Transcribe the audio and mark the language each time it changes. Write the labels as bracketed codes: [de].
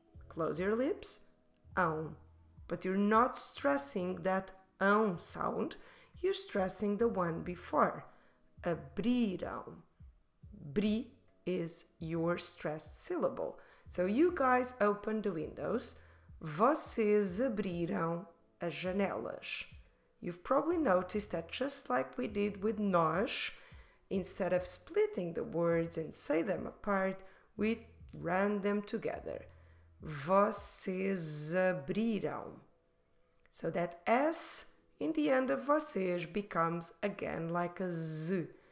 [en] Close your lips, ão. But you're not stressing that ão sound, you're stressing the one before. Abriram. Bri is your stressed syllable. So you guys opened the windows. [pt] Vocês abriram as janelas. [en] You've probably noticed that just like we did with nós, instead of splitting the words and say them apart, we ran them together. [pt] Vocês abriram. [en] So that S in the end of vocês becomes again like a Z.